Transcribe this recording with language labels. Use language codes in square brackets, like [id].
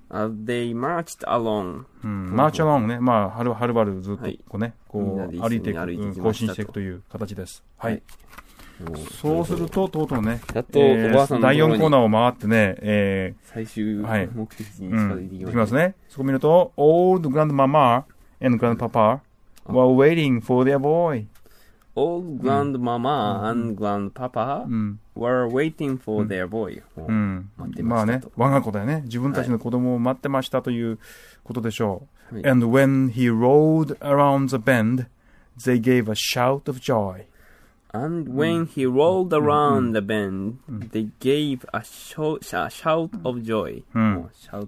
[en] As they marched along.、 march along ね。 [ja] まあ、はるばるずっとこうね、はい、こう歩いていく、行進していくという形です。はい。はい、そうすると、とうとうね、やっとおばあさんの第4コーナーを回ってね、最終目的地に近づいていきます ね、はい、きますね。そこ見ると、 [en] Old Grandmama and Grandpapa were waiting for their boy. Old Grandmama and Grandpapa were waiting for their boy. [ja] まあね、我が子だよね。自分たちの子供を待ってましたということでしょう。 [en] はい、and when he rolled around the bend, they gave a shout of joy. And when he rolled around the bend, they gave a shout of joy.